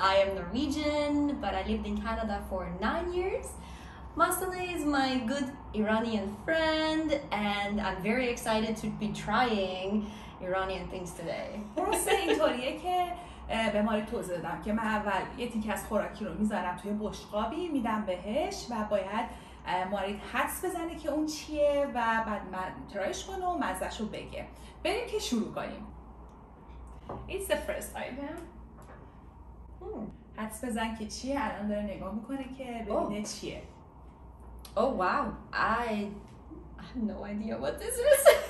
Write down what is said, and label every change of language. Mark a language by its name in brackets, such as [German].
[English] I am Norwegian, but I lived in Canada for 9 years. Mastan is my good Iranian friend, and I'm very excited to be trying Iranian things today. [Persian] پروسه اینطوریه که به ماری توضیح دادم که من اول یه تیکه از خوراکی رو میذارم توی بشقابی میدم بهش و باید مارید حدس بزنه که اون چیه و بعد من ترایش کنه و مزهشو بگه. بریم که شروع کنیم. [English] It's the first item. [Persian] حدس بزن که چیه. الان داره نگاه میکنه که ببینه چیه. [English] Oh wow, I have no idea what this is.